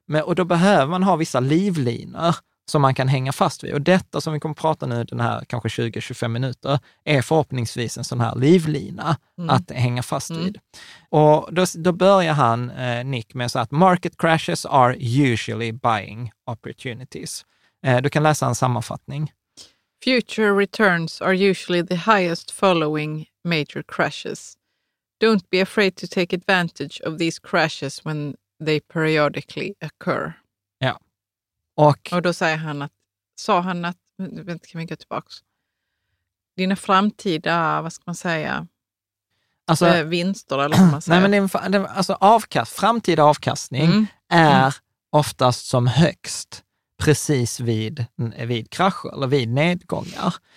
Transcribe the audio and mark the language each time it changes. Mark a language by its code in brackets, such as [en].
[sv] Och då behöver man ha vissa livlinor som man kan hänga fast vid. Och detta som vi kommer prata nu, den här kanske 20-25 minuter, är förhoppningsvis en sån här livlina att hänga fast vid. Och då börjar han, Nick, med så att [en] market crashes are usually buying opportunities. [sv] Du kan läsa en sammanfattning. [en] Future returns are usually the highest following major crashes. Don't be afraid to take advantage of these crashes when they periodically occur. [sv] Ja. Och då säger han att, sa han att, vänta, kan vi gå tillbaka? Dina framtida, vad ska man säga? Alltså, vinster eller vad man säger. Nej, men det, alltså framtida avkastning är oftast som högst precis vid krascher eller vid nedgångar.